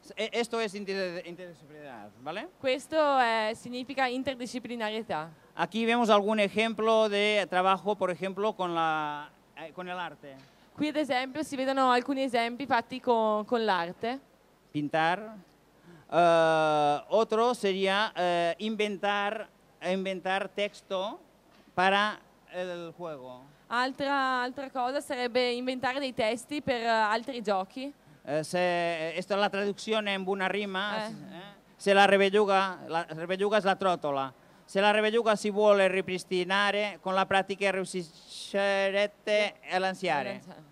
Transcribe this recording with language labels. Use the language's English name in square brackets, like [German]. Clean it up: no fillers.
[Italian] Questo è interdisciplinarità, vale? Questo significa interdisciplinarietà. Qui vediamo alcuni esempi di lavoro, per esempio, con l'arte. Qui ad esempio si vedono alcuni esempi fatti con l'arte. [Spanish] Pintar. Otro sería inventar texto para el juego. [Italian] Altra cosa sarebbe inventare dei testi per altri giochi. [Spanish] Esto es la traducción en buena rima. Se la rebelluga es la trótola. [Italian] Se la rebelluga si vuole ripristinare, con la pratica riuscirete a lanciare.